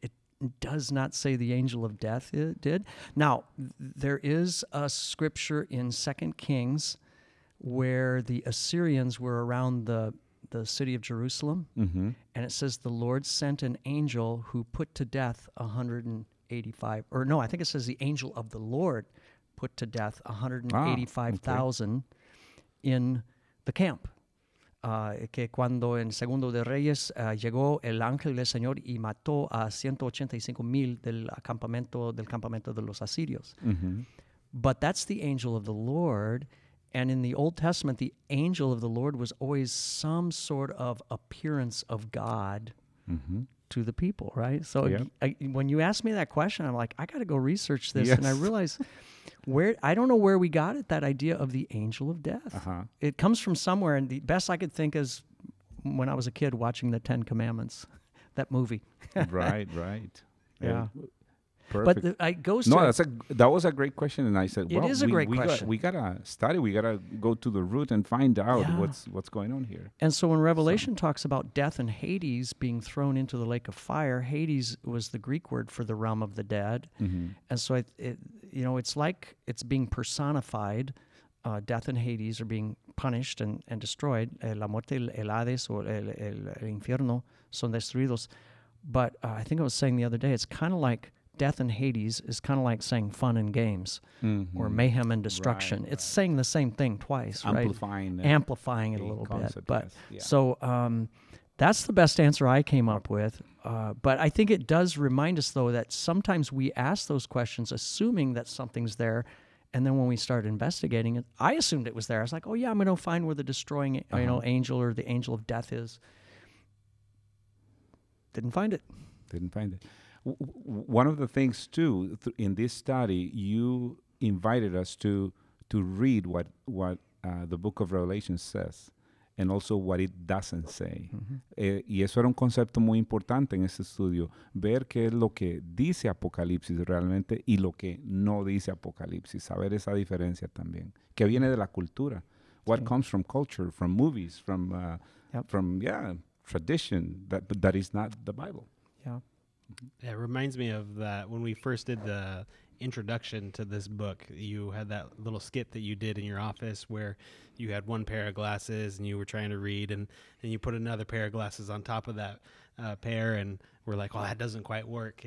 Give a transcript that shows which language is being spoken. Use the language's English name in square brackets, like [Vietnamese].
[English] It does not say the angel of death did. Now, there is a scripture in 2 Kings where the Assyrians were around the city of Jerusalem. Mm-hmm. And it says the Lord sent an angel who put to death 185. Or no, I think it says the angel of the Lord put to death 185,000 in the camp. [Spanish] Que cuando en Segundo de Reyes llegó el ángel del Señor y mató a 185,000 del campamento de los asirios. Mm-hmm. [English] But that's the angel of the Lord. And in the Old Testament, the angel of the Lord was always some sort of appearance of God to the people, right? So when you ask me that question, I'm like, I got to go research this. Yes. And I realize... I don't know where we got it, that idea of the angel of death. Uh-huh. It comes from somewhere, and the best I could think is when I was a kid watching the Ten Commandments, that movie. Right. Yeah. Perfect. But it goes no, to... No, that was a great question, and I said, well, we got to study. We got to go to the root and find out what's going on here. And so when Revelation talks about death and Hades being thrown into the lake of fire, Hades was the Greek word for the realm of the dead. Mm-hmm. And so you know, it's like it's being personified. Death and Hades are being punished and destroyed. [Spanish] La muerte, el Hades, o el infierno son destruidos. [English] But I think I was saying the other day, it's kind of like death and Hades is kind of like saying fun and games or mayhem and destruction. Right, it's saying the same thing twice, amplifying it a little concept, bit. But yes. So, That's the best answer I came up with. But I think it does remind us, though, that sometimes we ask those questions assuming that something's there. And then when we start investigating it, I assumed it was there. I was like, oh, yeah, I'm going to find where the destroying you know, angel or the angel of death is. Didn't find it. One of the things, too, in this study, you invited us to read what the book of Revelation says. And also what it doesn't say. Mm-hmm. [Spanish] Y eso era un concepto muy importante en ese estudio, ver qué es lo que dice Apocalipsis realmente y lo que no dice Apocalipsis, saber esa diferencia también, que viene de la cultura. [English] What comes from culture, from movies, from tradition that is not the Bible. Yeah. It reminds me of that when we first did the introduction to this book, you had that little skit that you did in your office where you had one pair of glasses and you were trying to read, and then you put another pair of glasses on top of that pair and we're like, well, that doesn't quite work.